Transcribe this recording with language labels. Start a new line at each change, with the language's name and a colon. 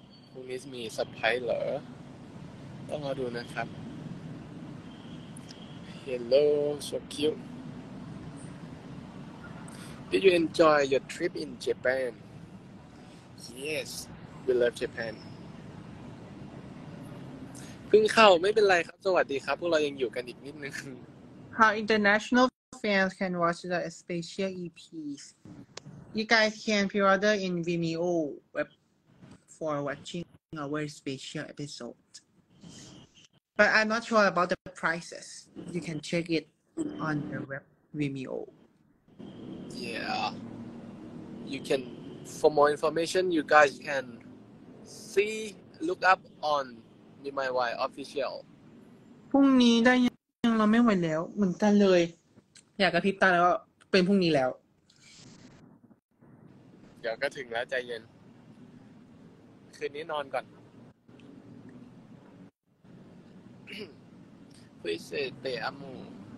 Thai: พรุ่งนี้มีเซอร์ไพรส์เหรอต้องรอดูนะครับเฮลโล
English: so cute Did you enjoy your trip in Japan? Yes, we love Japan.
Thai: เพิ่งเข้าไม่เป็นไรครับสวัสดีครับพวกเรายังอยู่กันอีกนิดนึง
English: How international fans can watch the special EPs? You guys can pre-order in Vimeo web for watching our special episode. But I'm not sure about the prices. You can check it on the web Vimeo. Yeah, you can, for more information, you guys can see, look up on MeMyY official.
Thai: พรุ่งนี้ได้ยังเราไม่ไหวแล้วเหมือนกันเลยอยากกระพริบตาแล้วเป็นพรุ่งนี้แล้ว เดี๋ยวก็ถึงแล้วใจเย็นคืนนี้นอนก่อน
English: Please stay a moment.